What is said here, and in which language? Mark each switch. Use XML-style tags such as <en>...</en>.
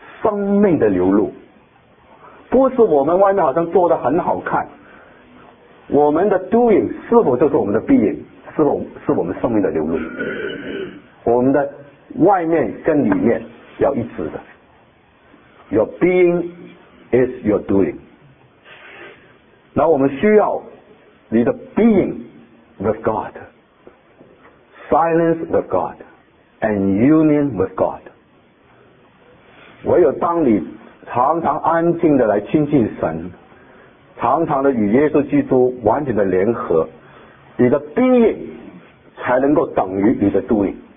<zh>生命的流露，不是我们外面好像做得很好看，我们的 doing 是否就是我们的 being， 是否是我们生命的流露？我们的外面跟里面要一致的。</zh> <en>Your being is your doing。那我们需要你的 being with God， silence with God and union with God。</en> <zh>唯有当你常常安静的来亲近神，常常的与耶稣基督完全的联合，你的 being 才能够等于你的 doing。</zh>